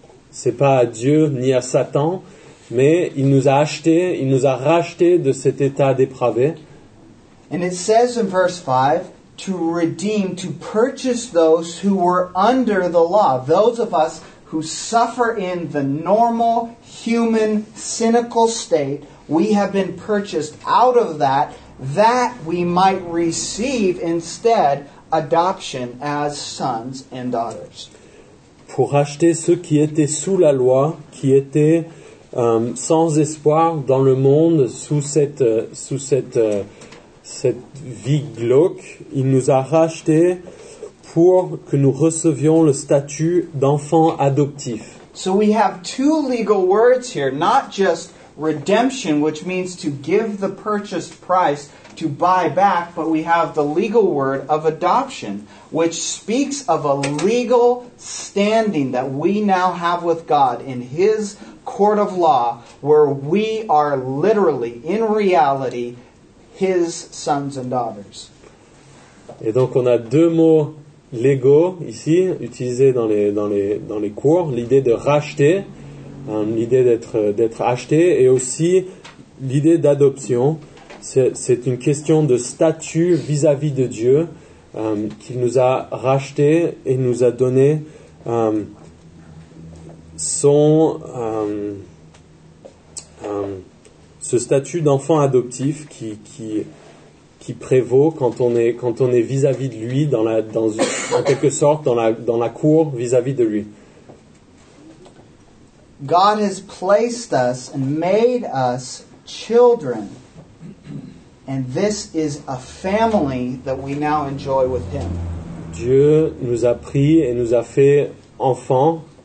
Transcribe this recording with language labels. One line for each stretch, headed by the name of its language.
French: C'est pas à Dieu ni à Satan. Mais il nous a achetés, il nous a rachetés de cet état dépravé.
English: And it says in verse 5, to redeem, to purchase those who were under the law. Those of us who suffer in the normal, human, cynical state, we have been purchased out of that, that we might receive instead adoption as sons and daughters.
French: Pour racheter ceux qui étaient sous la loi, qui étaient sans espoir dans le monde sous cette vie glauque, il nous a rachetés pour que nous recevions le statut d'enfant adoptif.
English: So we have two legal words here, not just redemption, which means to give the purchased price to buy back, but we have the legal word of adoption, which speaks of a legal standing that we now have with God in his court of law, where we are literally, in reality, his sons and daughters.
French: Et donc on a deux mots légaux ici, utilisés dans les cours, l'idée de racheter, l'idée d'être acheté, et aussi l'idée d'adoption. C'est une question de statut vis-à-vis de Dieu, qu'il nous a racheté et nous a donné ce statut d'enfant adoptif qui prévaut quand on est vis-à-vis de lui dans la cour vis-à-vis de lui.
English: God has placed us and made us children, and this is a family that we now enjoy with him.
French: Dieu nous a pris et nous a fait enfants.